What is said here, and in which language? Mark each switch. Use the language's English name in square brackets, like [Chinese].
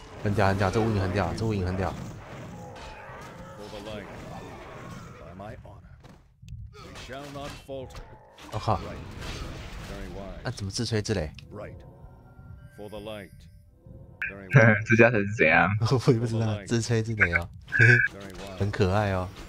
[Chinese] 很屌，很屌，这无影很屌，这无影很屌。 [English] For the light, by my honor, we shall not falter. [Chinese] 我靠！那怎么自吹自擂 ？ [English] Right, for the light. [Chinese] 哼，这家人是怎样？我也不知道，自吹自擂哦，很可爱哦。